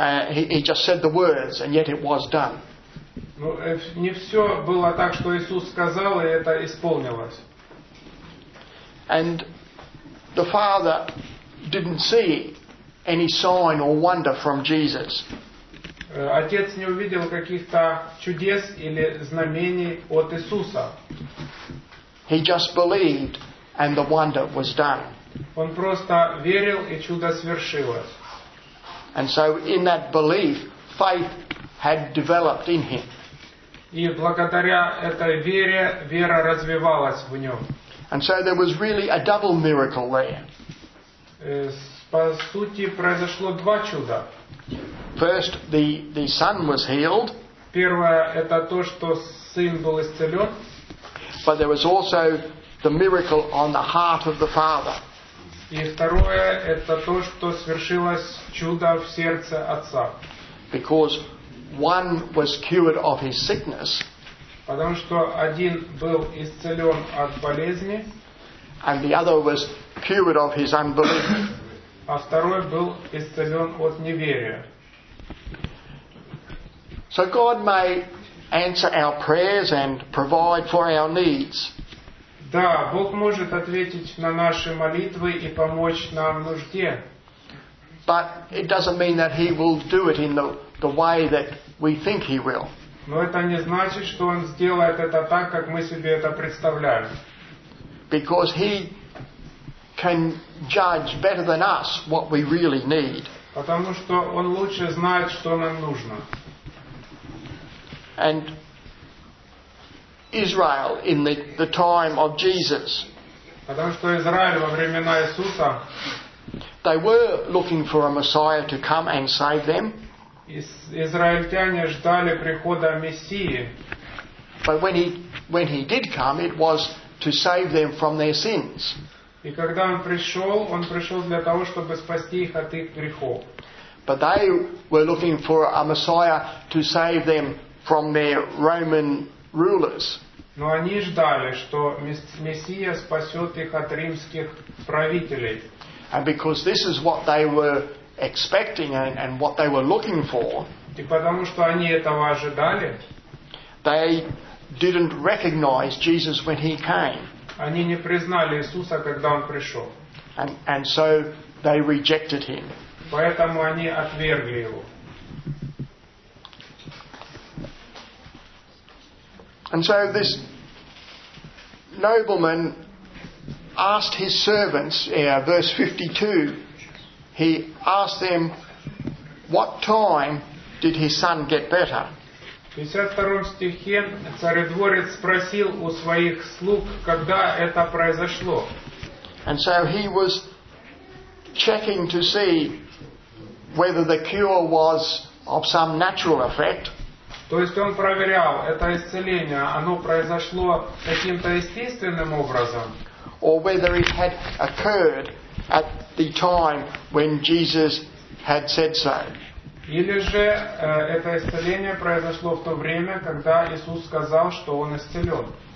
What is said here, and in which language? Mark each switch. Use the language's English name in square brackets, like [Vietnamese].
[English] He just said the words, and yet it was done. [Russian] Ну, не все было так, что Иисус сказал, и это исполнилось. [English] And the Father didn't see any sign or wonder from Jesus. [Russian] Отец не увидел каких-то чудес или знамений от Иисуса. [English] He just believed, and the wonder was done. [Russian] Он просто верил, и чудо свершилось. [English] And so in that belief, faith had developed in him. [Russian] И благодаря этой вере, вера развивалась в нем. [English] And so there was really a double miracle there. [Russian] По сути, произошло два чуда. [English] First, the son was healed. [Russian] Первое, это то, что сын был исцелен. [English] But there was also the miracle on the heart of the father. [Russian] И второе, это то, что свершилось чудо в сердце отца. [English] Because one was cured of his sickness. [Russian] Потому что один был исцелен от болезни. [English] And the other was cured of his unbelief. [Russian] А второй был исцелен от неверия. [English] So God may answer our prayers and provide for our needs. [Russian] Да, Бог может ответить на наши молитвы и помочь нам в нужде. [English] But it doesn't mean that he will do it in the way that we think he will. [Russian] Но это не значит, что он сделает это так, как мы себе это представляем. [English] Because he can judge better than us what we really need. [Russian] Потому что он лучше знает, что нам нужно. [English] And Israel in the time of Jesus. [Russian] Потому что Израиль во времена Иисуса. [English] They were looking for a Messiah to come and save them. [Russian] Израильтяне ждали прихода Мессии. [English] But when he did come, it was to save them from their sins. [Russian] И когда он пришел для того, чтобы спасти их от их грехов. [English] But they were looking for a Messiah to save them from their Roman rulers. [Russian] Но они ждали, что Мессия спасет их от римских правителей. [English] And because this is what they were expecting and what they were looking for, [Russian] и потому что они этого ожидали, [English] they didn't recognize Jesus when he came. [Russian] Они не признали Иисуса, когда он пришел. [English] And so they rejected him. [Russian] Поэтому они отвергли его. [English] And so this nobleman asked his servants, verse 52, he asked them, what time did his son get better? [Russian] В 52 стихе царедворец спросил у своих слуг, когда это произошло. [English] And so he was checking to see whether the cure was of some natural effect. [Russian] То есть он проверял, это исцеление, оно произошло каким-то естественным образом. [English] Or whether it had occurred at the time when Jesus had said so. [Russian] Или же это исцеление произошло в то время, когда Иисус сказал, что он исцелен.